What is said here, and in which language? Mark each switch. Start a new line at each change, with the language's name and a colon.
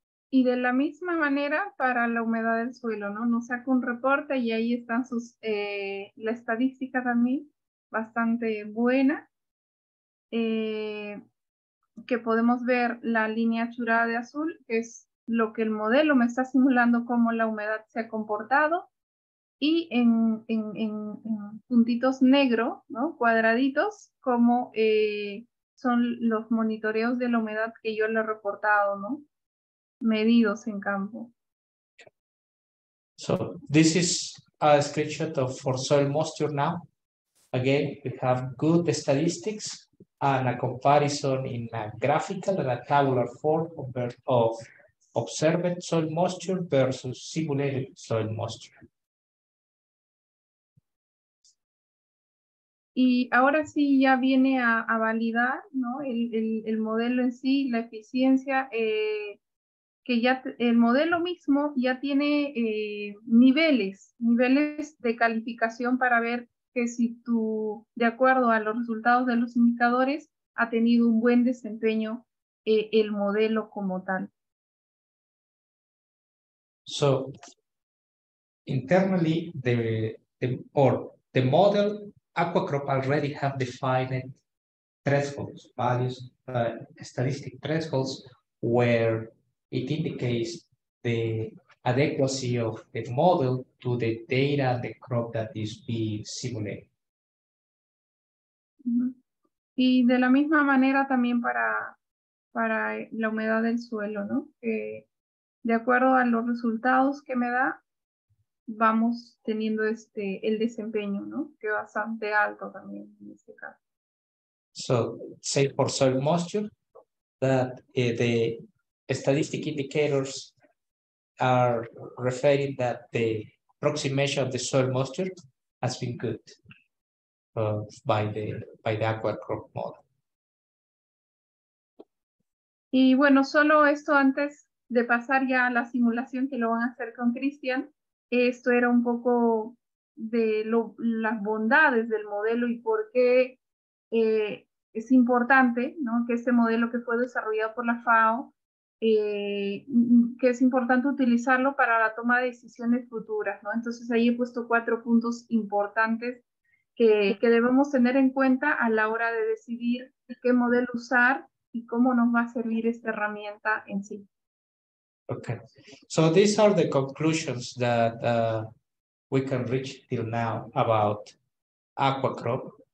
Spanish: Y de la misma manera para la humedad del suelo, ¿no? Nos saca un reporte y ahí están sus, la estadística también bastante buena, que podemos ver la línea churada de azul, que es lo que el modelo me está simulando cómo la humedad se ha comportado, y en puntitos negro, ¿no? Cuadraditos, como son los monitoreos de la humedad que yo le he reportado, ¿no? Medidos en campo.
English: So this is a screenshot of for soil moisture now. Again, we have good statistics and a comparison in a graphical and a tabular form of observed soil moisture versus simulated soil moisture.
Spanish: Y ahora sí ya viene a validar, ¿no? El modelo en sí, la eficiencia, que ya el modelo mismo ya tiene niveles de calificación para ver que si tú, de acuerdo a los resultados de los indicadores, ha tenido un buen desempeño el modelo como tal.
English: So, internally, the model Aquacrop already have defined thresholds, values, statistic thresholds, where it indicates the adequacy of the model to the data and the crop that is being simulated.
Spanish: Y de la misma manera también para la humedad del suelo, ¿no? De acuerdo a los resultados que me da, vamos teniendo el desempeño, ¿no? Que bastante alto también en este caso.
English: So, say for soil moisture, that the statistic indicators are referring that the approximation of the soil moisture has been good by the aquacrop model.
Spanish: Y bueno, solo esto antes de pasar ya a la simulación que lo van a hacer con Cristian. Esto era un poco de las bondades del modelo y por qué es importante, ¿no? Que este modelo que fue desarrollado por la FAO, que es importante utilizarlo para la toma de decisiones futuras, ¿no? Entonces ahí he puesto cuatro puntos importantes que debemos tener en cuenta a la hora de decidir qué modelo usar y cómo nos va a servir esta herramienta en sí.
English: Okay, so these are the conclusions that we can reach till now about aquacrop.